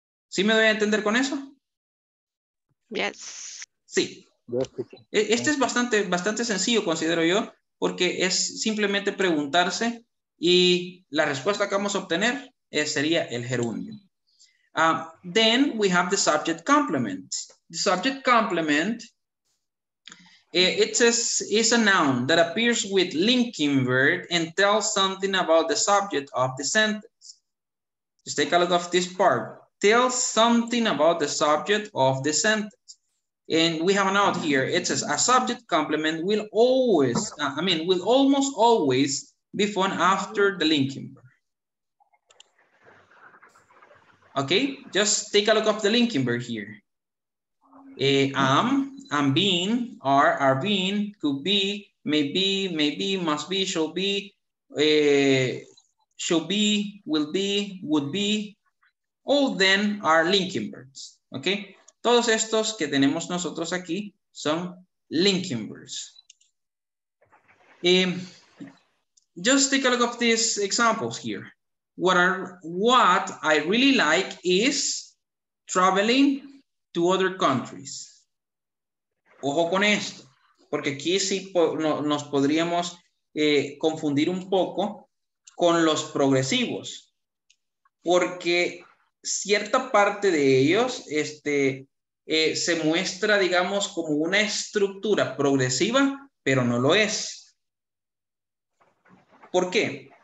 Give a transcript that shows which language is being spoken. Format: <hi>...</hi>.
<es>¿Sí me doy a entender con eso?</es> <en>Yes.</en> <es>Sí. Este es bastante, bastante sencillo, considero yo, porque es simplemente preguntarse y la respuesta que vamos a obtener sería el gerundio.</es> <en>Then we have the subject complement. The subject complement is a noun that appears with linking verb and tells something about the subject of the sentence. Just take a look at this part. Tell something about the subject of the sentence. And we have a note here. It says a subject complement will always, will almost always be found after the linking verb. Okay, just take a look of the linking verb here. I'm being, are being, could be, maybe, must be, shall be, will be, would be. All then are linking verbs. Okay.</en> <es>Todos estos que tenemos nosotros aquí son linking verbs.</es> <en>Just take a look at these examples here. What I really like is traveling to other countries.</en> <es>Ojo con esto, porque aquí sí nos podríamos confundir un poco con los progresivos. Porque cierta parte de ellos, se muestra, digamos, como una estructura progresiva, pero no lo es. ¿Por qué?</es>